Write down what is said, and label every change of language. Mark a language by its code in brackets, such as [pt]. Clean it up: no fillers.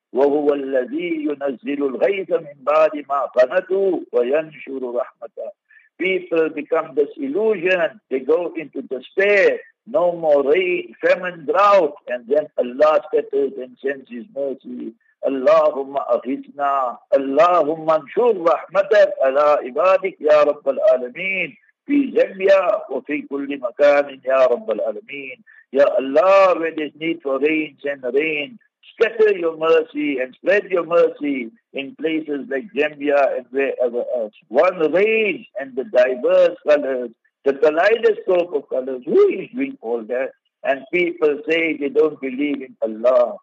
[ar] وَهُوَ الَّذِي يُنَزِّلُ الْغَيْثَ مِنْ بَعْدِ مَا قَنَتُوا وَيَنْشُرُ رَحْمَتَهُ. [en] People become disillusioned, they go into despair, no more rain, famine, drought, and then Allah scatters and sends His mercy. [ar] اللهم أغثنا اللهم انشر رحمتك على عبادك يا رب العالمين في جميع وفي كل مكان يا رب العالمين. [en] يا الله, when there is need for rain, send rain. Scatter your mercy and spread your mercy in places like Zambia and wherever else. One rain and the diverse colors, the kaleidoscope of colors. Who is doing all that? And people say they don't believe in Allah.